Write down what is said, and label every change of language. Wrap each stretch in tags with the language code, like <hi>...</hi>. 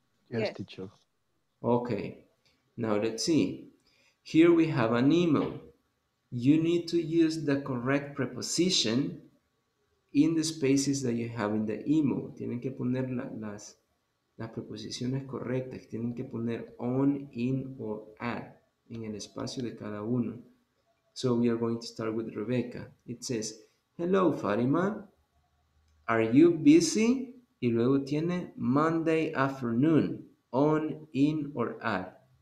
<en>Yes, teacher. Okay, now let's see. Here we have an email. You need to use the correct preposition in the spaces that you have in the email.</en> <es>Tienen que poner las preposiciones correctas. Tienen que poner on, in, or at en el espacio de cada uno.</es> <en>So we are going to start with Rebecca. It says, hello, Fatima. Are you busy?</en> <es>Y luego tiene</es> <en>Monday afternoon. On, in, or at.</en>